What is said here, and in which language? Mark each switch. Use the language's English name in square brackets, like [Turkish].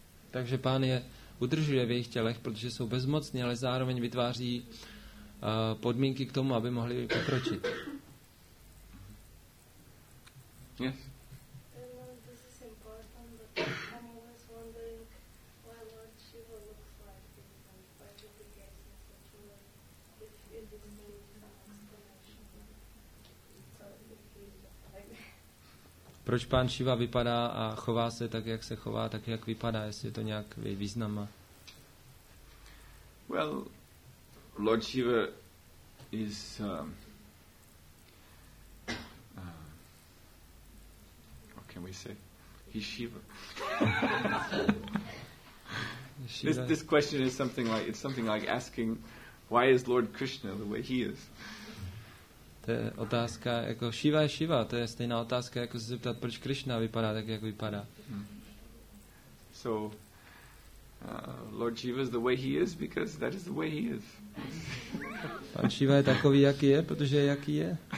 [Czech] Takže Pán je udržuje v jejich tělech, protože jsou bezmocní, ale zároveň vytváří podmínky k tomu, aby mohli pokročit. [English] Yes. This is important, but I'm always wondering why Lord Shiva looks like this and why did he get such a look if it didn't make an explanation. [Czech] Proč Pán Shiva vypadá a chová se tak, jak se chová, tak jak vypadá, jestli je to nějak význam má? [English] Well, Lord Shiva is can we say he's Shiva? this question is something like asking why is Lord Krishna the way he is. [Czech] To je otázka jako Shiva je Shiva, to je stejná otázka jako se zeptat proč Krishna vypadá tak jak vypadá. [English] So Lord Shiva is the way he is because that is the way he is. [Czech] Pan Shiva je takový jaký je, protože jaký je.